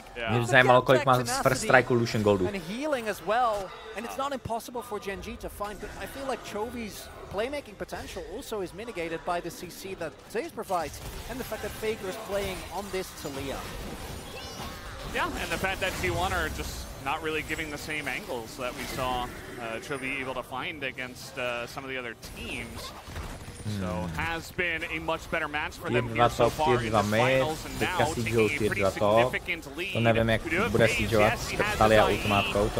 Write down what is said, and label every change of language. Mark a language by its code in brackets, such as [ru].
[cs] Mě zajímalo, kolik má z First Strike Lucian Goldu. [en] And it's not impossible for Gen.G to find, but I feel like Chovy's playmaking potential also is mitigated by the CC that Zeus provides and the fact that Faker is playing on this Talia. Yeah, and the fact that T1 are just not really giving the same angles that we saw Chovy able to find against some of the other teams. So has been a much better match for them here so far in the finals, and now taking a pretty significant lead. [cs] To nevím, jak bude siegeovat s Talia ultimátkou, to